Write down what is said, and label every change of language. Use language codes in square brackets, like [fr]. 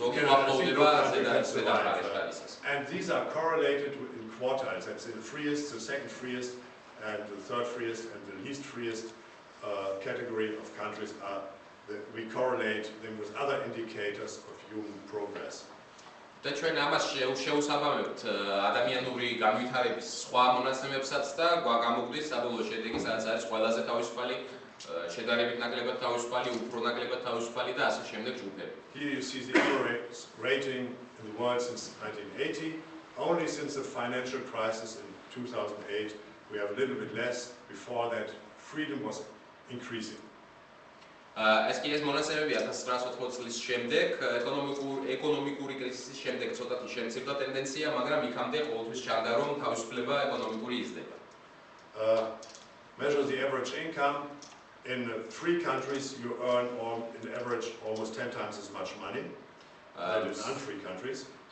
[en] And these are correlated in quartiles, that's the freest, the second freest, and the third freest, and the least freest category of countries are that we correlate them with other indicators of human progress. [ka] და ჩვენ ამას შეუსაბამებთ ადამიანური განვითარების სხვა მონაცემებსაც და გვაგამოგვდის საბოლოო შედეგი, სადაც არის ყველაზე თავისუფალი შედარებით ნაკლებად თავისუფალი, უფრო ნაკლებად თავისუფალი და ასე შემდეგ ჯგუფები. [en] Here you see the error rating in the world since 1980. Only since the financial crisis in 2008 we have a little bit less. Before that freedom was increasing. [ka] ეს კი ეს მონაცემები 1980 წლის შემდეგ, ეკონომიკური კრიზისის შემდეგ ცოტათი შემცირდა ტენდენცია, მაგრამ იქამდე ყოველთვის ჩანდა რომ თავისუფლება ეკონომიკური იზრდება. [en] Measure the average income. In three countries you earn on average almost 10 times as much money than in non-free countries.